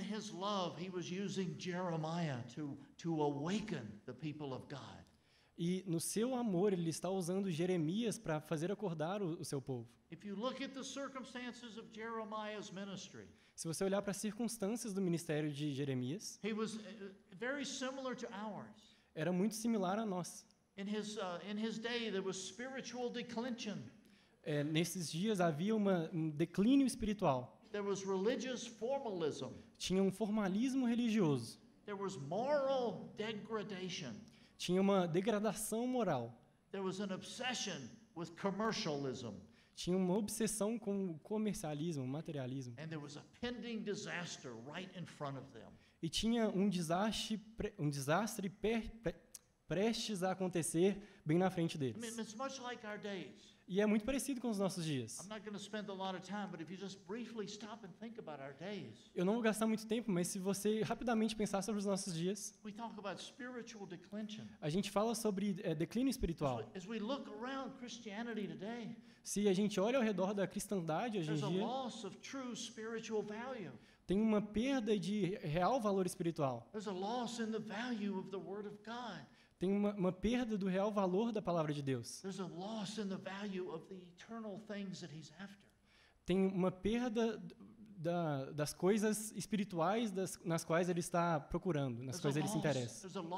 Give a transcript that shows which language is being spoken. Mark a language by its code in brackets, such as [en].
[en] In his love, he was using Jeremiah to awaken the people of God. [pt] E no seu amor, ele está usando Jeremias para fazer acordar o seu povo. [en] If you look at the circumstances of Jeremiah's ministry, [pt] se você olhar para as circunstâncias do ministério de Jeremias, [en] he was very similar to ours. [pt] Era muito similar a nós. [en] In his day, there was spiritual declension. [pt] É, nesses dias havia um declínio espiritual. [en] There was religious formalism. [pt] Tinha um formalismo religioso. [en] There was moral degradation. [pt] Tinha uma degradação moral. [en] There was an obsession with commercialism. [pt] Tinha uma obsessão com o comercialismo, materialismo. [en] And there was a pending disaster right in front of them. [pt] E tinha um desastre prestes a acontecer bem na frente deles. [en] I mean, it's much like our days. [pt] E é muito parecido com os nossos dias. [en] I'm not going to spend a lot of time, but if you just briefly stop and think about our days. [pt] Eu não vou gastar muito tempo, mas se você rapidamente pensar sobre os nossos dias. [en] We talk about spiritual declension. [pt] A gente fala sobre declínio espiritual. [en] As we look around Christianity today. [pt] Se a gente olha ao redor da cristandade hoje em dia. [en] There's a loss of true spiritual value. [pt] Tem uma perda de real valor espiritual. [en] There's a loss in the value of the word of God. [pt] Tem uma perda do real valor da palavra de Deus. [en] There's a loss in the value of the eternal things that he's after. [pt] Tem uma perda das coisas espirituais das, nas quais ele está procurando, nas quais ele se interessa.